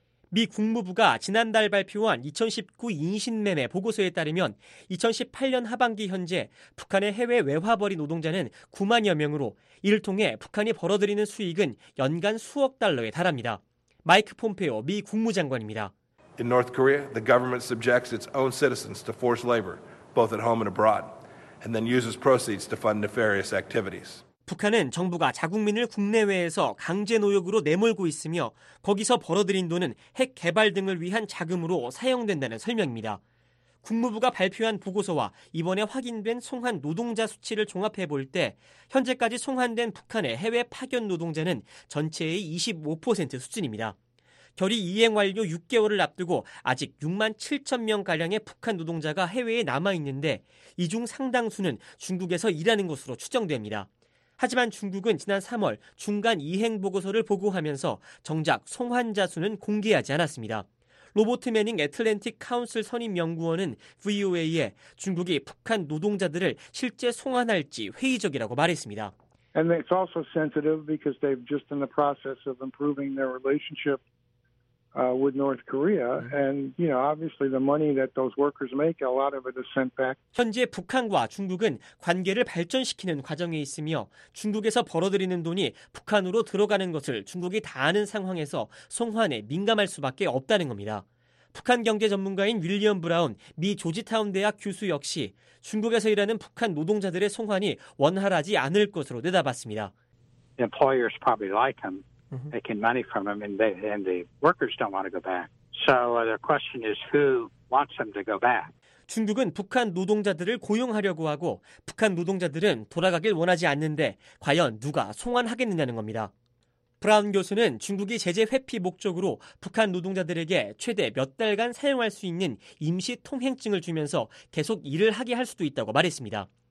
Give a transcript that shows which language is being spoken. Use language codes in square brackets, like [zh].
[ko] 미 국무부가 지난달 발표한 2019 인신매매 보고서에 따르면 2018년 하반기 현재 북한의 해외 외화벌이 노동자는 9만여 명으로 이를 통해 북한이 벌어들이는 수익은 연간 수억 달러에 달합니다. 마이크 폼페오 미 국무장관입니다. [en] In North Korea, the government subjects its own citizens to forced labor, both at home and abroad, and then uses proceeds to fund nefarious activities. [ko] 북한은 정부가 자국민을 국내외에서 강제 노역으로 내몰고 있으며 거기서 벌어들인 돈은 핵 개발 등을 위한 자금으로 사용된다는 설명입니다. 국무부가 발표한 보고서와 이번에 확인된 송환 노동자 수치를 종합해 볼 때 현재까지 송환된 북한의 해외 파견 노동자는 전체의 25% 수준입니다. 결의 이행 완료 6개월을 앞두고 아직 6만 7천 명가량의 북한 노동자가 해외에 남아있는데 이 중 상당수는 중국에서 일하는 것으로 추정됩니다. 하지만 중국은 지난 3월 중간 이행 보고서를 보고하면서 정작 송환자 수는 공개하지 않았습니다. 로버트 매닝 애틀랜틱 카운슬 선임 연구원은 VOA에 중국이 북한 노동자들을 실제 송환할지 회의적이라고 말했습니다. [en] And it's also sensitive because they've just in the process of improving their relationship with North Korea and you know obviously the money that those workers make a lot of it is sent back. [ko] 현재 북한과 중국은 관계를 발전시키는 과정에 있으며 중국에서 벌어들이는 돈이 북한으로 들어가는 것을 중국이 다 아는 상황에서 송환에 민감할 수밖에 없다는 겁니다. 북한 경제 전문가인 윌리엄 브라운 미 조지타운 대학 교수 역시 중국에서 일하는 북한 노동자들의 송환이 원활하지 않을 것으로 내다봤습니다. [en] Employers probably like him. They can money from them, and, they, and the workers don't want to go back. So the question is, who wants them to go back? [ko] 중국은 북한 노동자들을 고용하려고 하고 북한 노동자들은 돌아가길 원하지 않는데 과연 누가 송환하겠느냐는 겁니다. 브라운 교수는 중국이 제재 회피 목적으로 북한 노동자들에게 최대 몇 달간 사용할 수 있는 임시 통행증을 주면서 계속 일을 하게 할 수도 있다고 말했습니다.